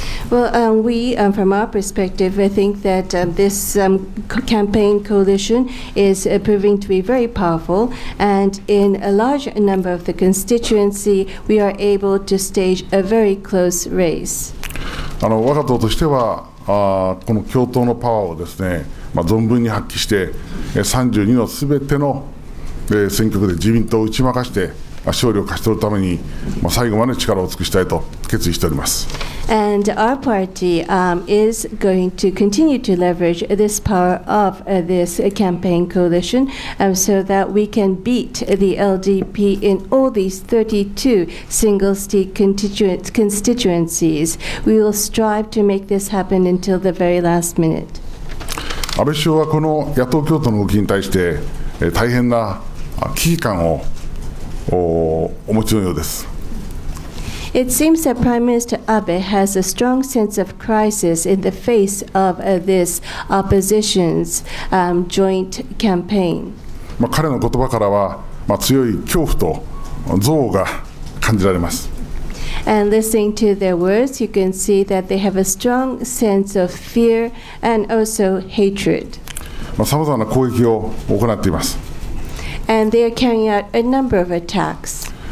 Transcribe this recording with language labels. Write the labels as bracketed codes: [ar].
[en] Well, we, from our perspective, I think that this campaign coalition is proving to be very powerful, and in a large number of the constituency, we are able to stage a very close race. [ja] あの、我が党としては、この共闘のパワーをですね、まあ、存分に発揮して、32のすべての、選挙区で自民党を打ち負かして、勝利を勝ち取るために、まあ、最後まで力を尽くしたいと決意しております。 [en] And our party, is going to continue to leverage this power of this campaign coalition, so that we can beat the LDP in all these 32 single seat constituencies. We will strive to make this happen until the very last minute. [ja] 安倍首相はこの野党共闘の動きに対して、大変な危機感をお持ちのようです。 [en] It seems that Prime Minister Abe has a strong sense of crisis in the face of this opposition's joint campaign. [ja] まあ、彼の言葉からは、まあ、強い恐怖と憎悪が感じられます。 [en] And listening to their words, you can see that they have a strong sense of fear and also hatred. [ja] まあ、様々な攻撃を行っています。 [en] And they are carrying out a number of attacks.